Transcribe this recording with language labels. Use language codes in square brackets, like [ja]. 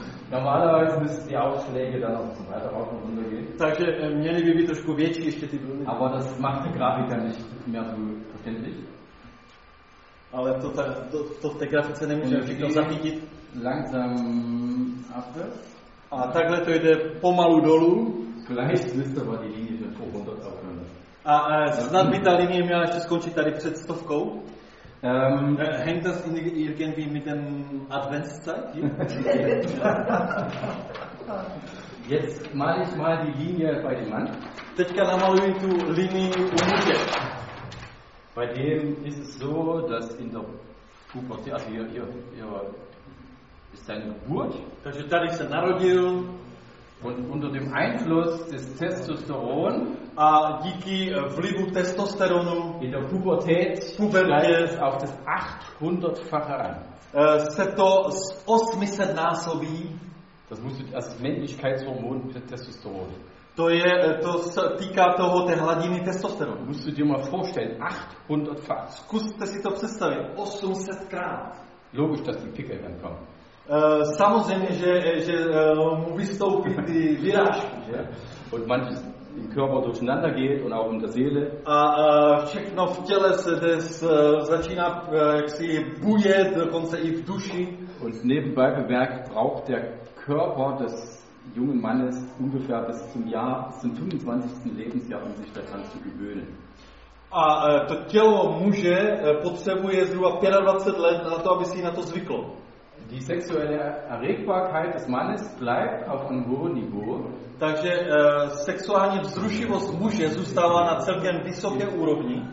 [de] Normalerweise müssten die Aufschläge dann auch weiter rauf und runter gehen. [cs] Takže měli by být trošku větší ještě ty vlny. [de] Aber das macht die Grafik dann nicht mehr so verständlich. [cs] Ale to v té grafice nemůže všechno zachytit. [de] Langsam abwärts. [cs] A takhle to jde pomalu dolů. [de] Vielleicht müsste aber die Linie schon vor 100 aufhören. [cs] A snad by ta linie měla ještě skončit tady před stovkou. [de] Hängt das irgendwie mit dem Adventszeit? Jetzt male ich mal die Linie bei dem Mann. [cs] Teďka namaluji tu linii u muže. [de] Bei dem ist es so, dass in der Pubertät, also hier ist seine Geburt. [cs] Takže tady se narodil. [de] Und unter dem Einfluss des Testosteron, [cs] a díky vlivu testosteronu [de] in der Pubertät steigt auf das 800-fache an. [cs] Se to 800násobí. [de] Das musst du als Männlichkeitshormon Testosteron. [cs] To je, to se týká toho té hladiny testosteronu. [de] Musst du dir mal vorstellen, 800-fach. [cs] Zkuste si to představit, 800krát. [de] Logisch, dass die Pickel dann kommen. [cs] Samozřejmě, že mu vystoupí ty vyrážky, že? [de] Und manches im Körper durcheinander geht und auch in der Seele. [cs] A všechno v těle se začíná jaksi bujet, dokonce i v duši. [de] Und nebenbei bemerkt, braucht der Körper des jungen Mannes ungefähr bis zum Jahr, bis zum 25. Lebensjahr, um sich daran zu gewöhnen. [cs] A to tělo muže potřebuje zhruba 25 let na to, aby si na to zvyklo. [de] Die sexuelle Erregbarkeit des Mannes bleibt auf einem hohen Niveau. [cs] Takže sexuální vzrušivost muže zůstává na celkem vysoké úrovni.